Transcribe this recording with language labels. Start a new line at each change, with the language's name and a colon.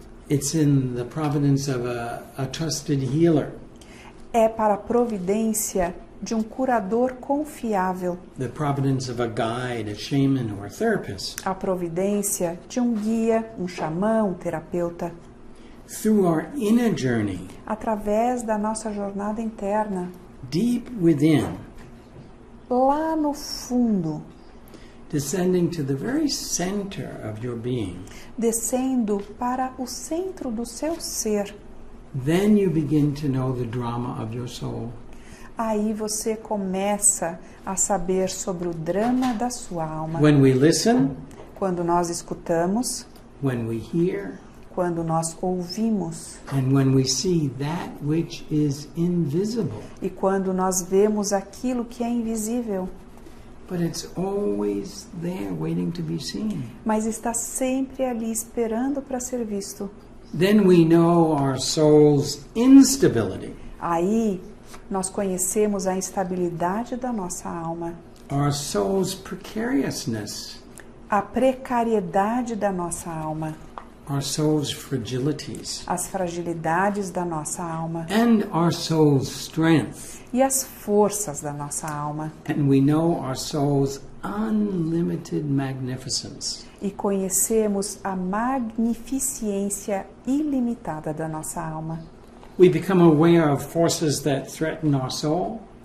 English: It's in the providence of a trusted healer.
Portuguese: É para a providência de um curador confiável.
English: The providence of a guide, a shaman, or a therapist.
Portuguese: A providência de um guia, um xamã, um terapeuta.
English: Through our inner journey,
Portuguese: Através da nossa jornada interna.
English: deep within,
Portuguese: Lá no fundo.
English: descending to the very center of your being,
Portuguese: Descendo para o centro do seu ser.
English: then you begin to know the drama of your soul.
Portuguese: Aí você começa a saber sobre o drama da sua alma.
English: When we listen,
Portuguese: Quando nós escutamos,
English: when we hear,
Portuguese: quando nós ouvimos,
English: and when we see that which is invisible.
Portuguese: e quando nós vemos aquilo que é invisível,
English: But it's always there waiting to be seen.
Portuguese: mas está sempre ali esperando para ser visto.
English: Then we know our soul's instability.
Portuguese: Aí nós conhecemos a instabilidade da nossa alma,
English: Our soul's precariousness.
Portuguese: a precariedade da nossa alma,
English: Our soul's fragilities.
Portuguese: as fragilidades da nossa alma
English: And our soul's strength.
Portuguese: e as forças da nossa alma.
English: And we know our soul's unlimited magnificence.
Portuguese: E conhecemos a magnificência ilimitada da nossa alma.
English: We become aware of forces that threaten our soul.